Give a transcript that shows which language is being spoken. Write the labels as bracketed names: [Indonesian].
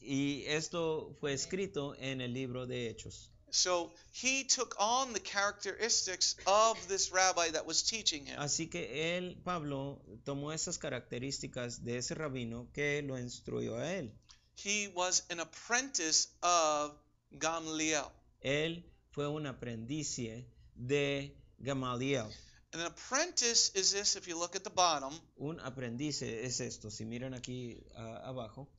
[Spanish] Y esto fue escrito en el libro de Hechos. [English] So he took on the characteristics of this rabbi that was teaching him. [Spanish] Así que él, Pablo, tomó esas características de ese rabino que lo instruyó a él. [English] He was an apprentice of Gamaliel. [Spanish] Él fue un aprendice de Gamaliel. [English] An apprentice is this, if you look at the bottom. [Spanish] Un aprendiz es esto, si miran aquí abajo.